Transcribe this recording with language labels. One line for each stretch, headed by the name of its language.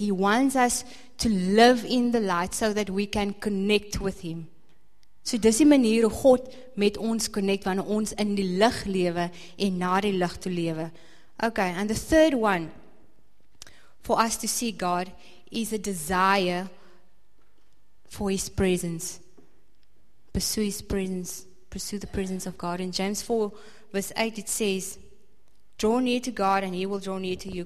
English: He wants us to live in the light so that we can connect with him.
Afrikaans: So dis die manier hoe God met ons connect wanneer ons in die lig lewe en na die lig toe lewe.
English: Okay, and the third one for us to see God is a desire for his presence. Pursue his presence, pursue the presence of God. In James 4 verse 8 it says, draw near to God and he will draw near to you.